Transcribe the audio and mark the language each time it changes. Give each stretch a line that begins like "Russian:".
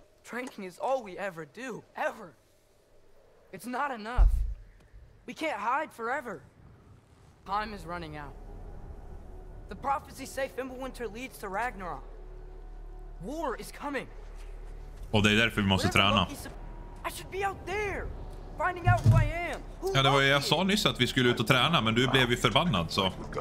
English: Training is all we ever do, ever. It's not enough. We can't hide forever. Time is running out. The prophecies say Fimbulwinter leads to Ragnarok. War is coming.
Swedish: Och det är därför vi måste träna.
English: I should be out there, finding out who I am.
Swedish: Ja, det var jag sa nyss att vi skulle ut och träna, men du blev ju förbannad så.